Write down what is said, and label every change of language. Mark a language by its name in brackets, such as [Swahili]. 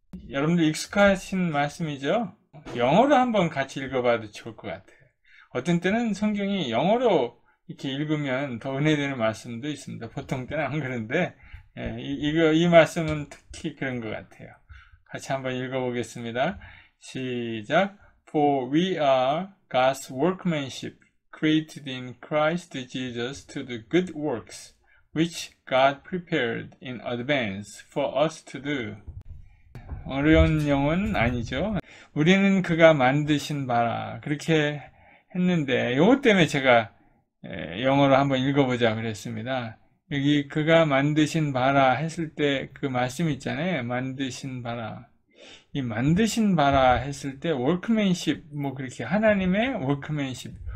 [Korean] 여러분들 익숙하신 말씀이죠? 영어로 한번 같이 읽어봐도 좋을 것 같아요. 어떤 때는 성경이 영어로 이렇게 읽으면 더 은혜되는 말씀도 있습니다. 보통 때는 안 그런데 이 말씀은 특히 그런 것 같아요. 같이 한번 읽어보겠습니다. 시작. [English] For we are God's workmanship, created in Christ Jesus to do good works, which God prepared in advance for us to do. [Korean] 어려운 영어는 아니죠. 우리는 그가 만드신 바라. 그렇게 했는데, 이것 때문에 제가 영어로 한번 읽어보자 그랬습니다. 여기 그가 만드신 바라 했을 때그 말씀 있잖아요. 만드신 바라. 이 만드신 바라 했을 때 workmanship, 뭐 그렇게 하나님의 workmanship.